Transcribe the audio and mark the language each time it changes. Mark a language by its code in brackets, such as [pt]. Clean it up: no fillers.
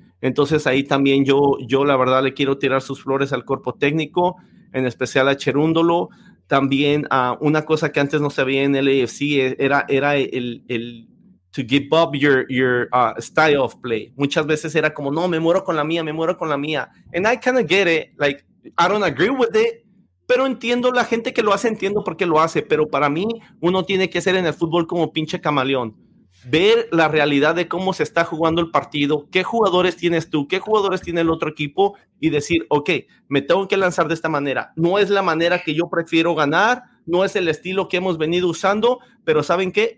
[es] Entonces ahí también yo la verdad le quiero tirar sus flores al cuerpo técnico, en especial a Cherúndolo. También una cosa que antes no se veía en el AFC era el [en] to give up your style of play. [es] Muchas veces era como, no, me muero con la mía, me muero con la mía. [en] And I kind of get it, like, I don't agree with it. [es] Pero entiendo la gente que lo hace, entiendo por qué lo hace, pero para mí uno tiene que ser en el fútbol como pinche camaleón. Ver la realidad de cómo se está jugando el partido, qué jugadores tienes tú, qué jugadores tiene el otro equipo y decir, ok, me tengo que lanzar de esta manera. No es la manera que yo prefiero ganar, no es el estilo que hemos venido usando, pero ¿saben qué?